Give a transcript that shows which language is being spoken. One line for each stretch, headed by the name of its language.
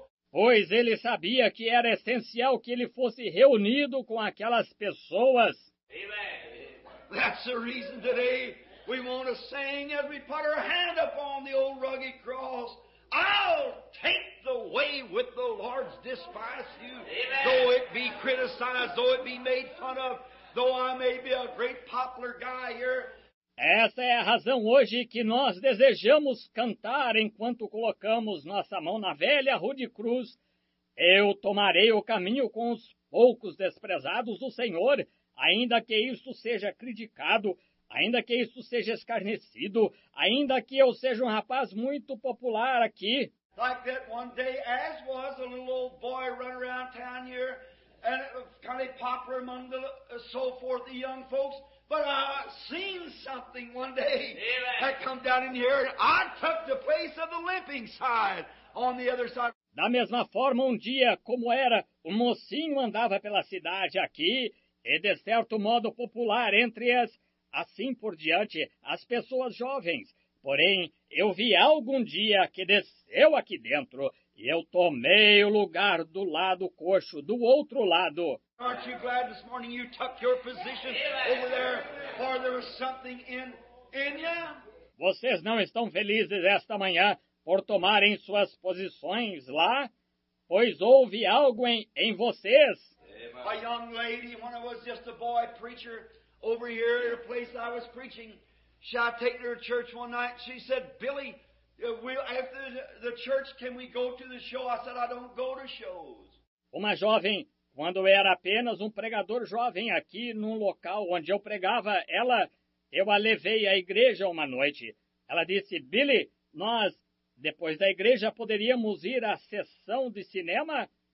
Portuguese: Pois ele sabia que era essencial que ele fosse reunido com aquelas pessoas.
English: That's the reason today we want to sing as we put our hand upon the old rugged cross. I'll take the way with the Lord's despise you. Amen. Though it be criticized, though it be made fun of, though I may be a great popular guy here.
Portuguese: Essa é a razão hoje que nós desejamos cantar enquanto colocamos nossa mão na velha rude cruz. Eu tomarei o caminho com os poucos desprezados do Senhor, ainda que isto seja criticado, ainda que isso seja escarnecido, ainda que eu seja um rapaz muito popular aqui.
English: Like that one day, as was a little old boy running around town here, and it was kind of popular among the so forth, the young folks. But I seen something one day. Amen. I come down in here, and I took the place of the limping side on the other side.
Portuguese: Da mesma forma, um dia, como era, um mocinho andava pela cidade aqui, e de certo modo popular entre as... Assim por diante, as pessoas jovens. Porém, eu vi algum dia que desceu aqui dentro e eu tomei o lugar do lado coxo, do outro lado.
English: Aren't you glad this morning you took your position over there, for there was something in you?
Portuguese: Vocês não estão felizes esta manhã por tomarem suas posições lá? Pois houve algo em vocês?
English: A young lady, when I was just a boy preacher, over here at a place I was preaching, she I take her to church one night. She said, Billy, after the church, can we go to the show? I said, I don't go to shows.
Portuguese: Uma jovem, quando eu era apenas um pregador jovem aqui num local onde eu pregava, eu a levei à igreja uma noite. Ela disse, Billy, nós, depois da igreja, poderíamos ir à sessão de cinema?